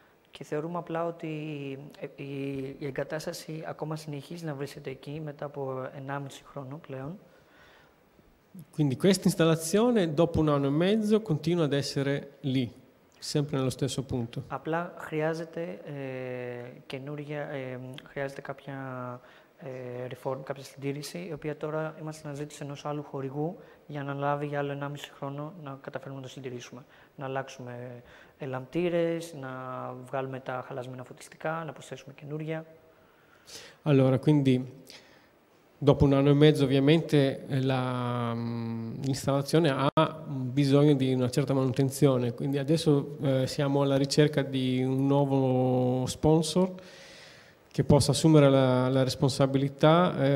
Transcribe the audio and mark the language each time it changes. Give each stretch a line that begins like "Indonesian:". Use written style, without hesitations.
Greek: Και θεωρούμε απλά ότι η εγκατάσταση ακόμα συνεχίζει να βρίσκεται εκεί μετά από 1,5 χρόνο πλέον.
Italian: Quindi questa installazione dopo un anno e mezzo continua ad essere lì, sempre nello stesso punto.
Greek: Απλά χρειάζεται καινούργια, χρειάζεται κάποια reform, κάποια συντήρηση, η οποία τώρα είμαστε να ζήτηση ενός άλλου χορηγού για να λάβει για άλλο 1,5 χρόνο να καταφέρουμε να το συντηρήσουμε. Να αλλάξουμε ελαμπτήρες, να βγάλουμε τα χαλασμένα φωτιστικά, να προσθέσουμε καινούργια.
Italian: Allora, quindi, dopo un anno e mezzo, ovviamente, l'installazione ha bisogno di una certa manutenzione. Quindi adesso siamo alla ricerca di un nuovo sponsor che possa assumere la responsabilità